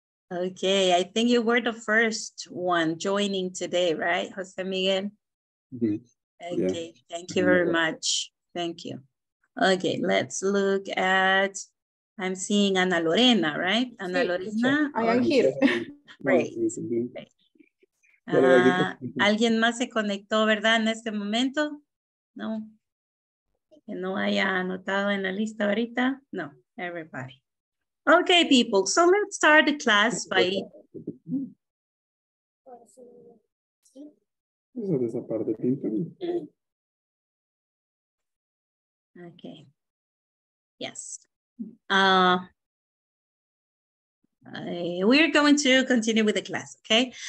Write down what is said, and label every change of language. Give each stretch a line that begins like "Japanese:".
English: Okay, I think you were the first one joining today, right, José Miguel? Mm-hmm. Okay, yeah. Thank you very much. Thank you. Okay, let's look at, I'm seeing Ana Lorena, right? Ana Lorena. I am here. Great.
Spanish: ¿Alguien más se conectó, verdad, en este momento? No. Que no haya anotado en la lista ahorita.
English: No, everybody. Okay, people, so let's start the class by...
Spanish: Esa es la parte pinta.
English: Okay. Yes. We are going to continue with the class, okay?